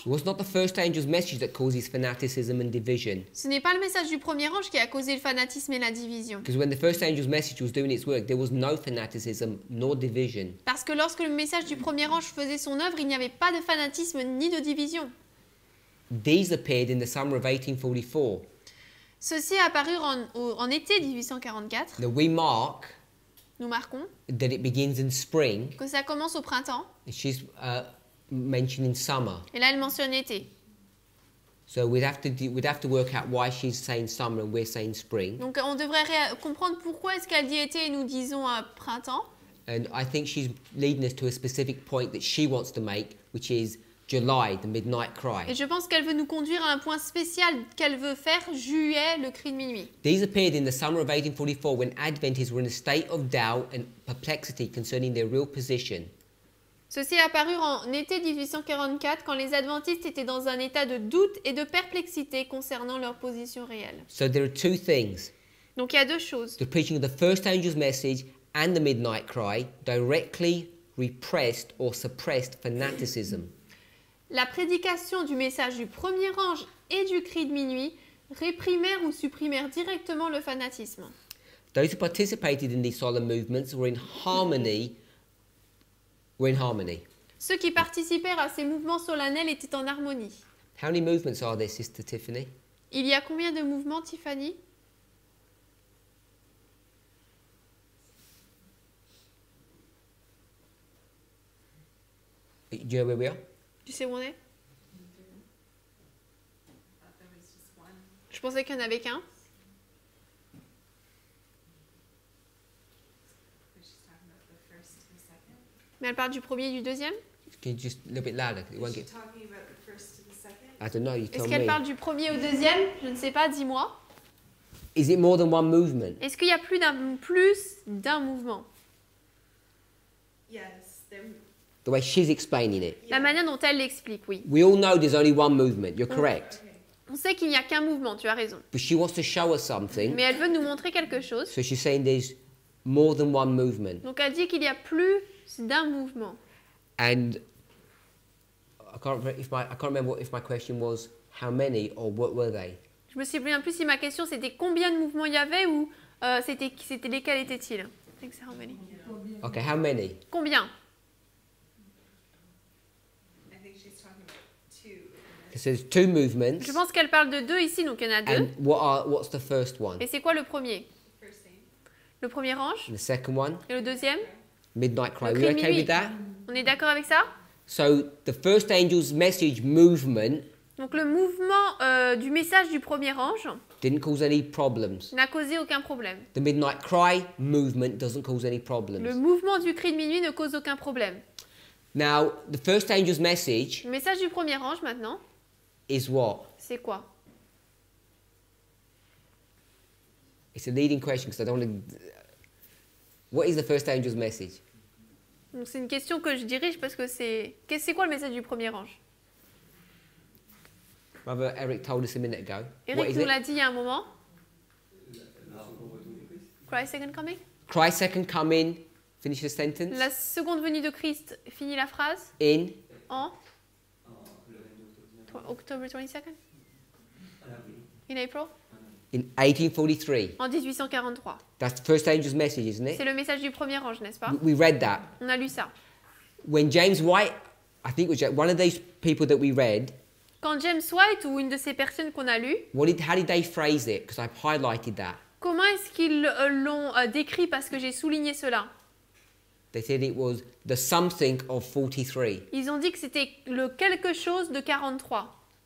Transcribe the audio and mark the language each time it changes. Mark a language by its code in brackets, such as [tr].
[en] It was not the first angel's message that causes fanaticism and division. [fr] Ce n'est pas le message du premier ange qui a causé le fanatisme et la division. [en] Because when the first angel's message was doing its work, there was no fanaticism nor division. [fr] Parce que lorsque le message du premier ange faisait son œuvre, il n'y avait pas de fanatisme ni de division. [en] These appeared in the summer of 1844. [fr] Ceci est apparu en été 1844. [en] The we mark. [fr] Nous marquons [en] that it begins in spring, [fr] que ça commence au printemps. [en] She's mentioning summer. [fr] Et là, elle mentionne l'été. [en] So we'd have to work out why she's saying summer and we're saying spring. [fr] Donc on devrait comprendre pourquoi est-ce qu'elle dit été et nous disons printemps. [en] And I think she's leading us to a specific point that she wants to make, which is July, the midnight cry. [fr] Et je pense qu'elle veut nous conduire à un point spécial qu'elle veut faire, juillet, le cri de minuit. [en] These appeared in the summer of 1844 when Adventists were in a state of doubt and perplexity concerning their real position. [fr] Ceci est apparu en été 1844 quand les Adventistes étaient dans un état de doute et de perplexité concernant leur position réelle. [en] So there are two things. [fr] Donc il y a deux choses. [en] The preaching of the first angel's message and the midnight cry directly repressed or suppressed fanaticism. [fr] La prédication du message du premier ange et du cri de minuit réprimèrent ou supprimèrent directement le fanatisme. [en] Those who participated in these solemn movements were in harmony. [fr] Ceux qui participèrent à ces mouvements solennels étaient en harmonie. [en] How many movements are there, Sister Tiffany? [fr] Il y a combien de mouvements, Tiffany? [en] Do you know where we are? [fr] Tu sais où on est? Je pensais qu'il n'y en avait qu'un. Mais elle parle du premier et du deuxième? [en] Can you just a little bit louder? Is she talking about the first and the second? I don't know, you tell me. [fr] Est-ce qu'elle parle du premier ou deuxième? Je ne sais pas, dis-moi. [en] Is it more than one movement? [fr] Est-ce qu'il y a plus d'un mouvement? [en] Yes, the way she's explaining it. [fr] La manière dont elle l'explique, oui. [en] We all know there's only one movement. You're correct. [fr] Okay. On sait qu'il n'y a qu'un mouvement. Tu as raison. [en] But she wants to show us something. [fr] Mais elle veut nous montrer quelque chose. [en] So she's saying there's more than one movement. [fr] Donc elle dit qu'il y a plus d'un mouvement. [en] And I can't remember if my question was how many or what were they. [fr] Je me souviens plus si ma question c'était combien de mouvements il y avait ou c'était lesquels étaient-ils. [en] Okay, how many? [fr] Combien? [en] So there's two movements. [fr] Je pense qu'elle parle de deux ici, donc il y en a deux. [en] And what's the first one? [fr] Et c'est quoi le premier? Le premier ange. [en] And the second one. [fr] Et le deuxième? [en] Midnight cry. [fr] Le cri de minuit. [en] Okay with that? [fr] On est d'accord avec ça? [en] So the first angel's message movement. [fr] Donc le mouvement du message du premier ange. [en] Didn't cause any problems. [fr] N'a causé aucun problème. [en] The midnight cry movement doesn't cause any problems. [fr] Le mouvement du cri de minuit ne cause aucun problème. [en] Now the first angel's message. [fr] Le message du premier ange maintenant. [en] Is what? [fr] C'est quoi? [en] It's a leading question because I don't want to... What is the first angel's message? [fr] Donc c'est une question que je dirige parce que c'est... C'est quoi le message du premier ange? [en] Brother Eric told us a minute ago. [fr] Eric nous l'a dit il y a un moment. [en] Christ's second coming? Christ's second coming. Finish the sentence. [fr] La seconde venue de Christ. Finis la phrase. [en] In? [fr] En? [en] October 22nd? In April? In 1843. [fr] En 1843. [en] That's the first angel's message, isn't it? [fr] C'est le message du premier ange, n'est-ce pas? [en] We read that. [fr] On a lu ça. [en] When James White, I think it was one of these people that we read. [fr] Quand James White, ou une de ces personnes qu'on a lu. [en] How did they phrase it? Because I've highlighted that. [fr] Comment est-ce qu'ils l'ont décrit parce que j'ai souligné cela? [en] They said it was the something of 43. [fr] Ils ont dit que c'était le quelque chose de 43.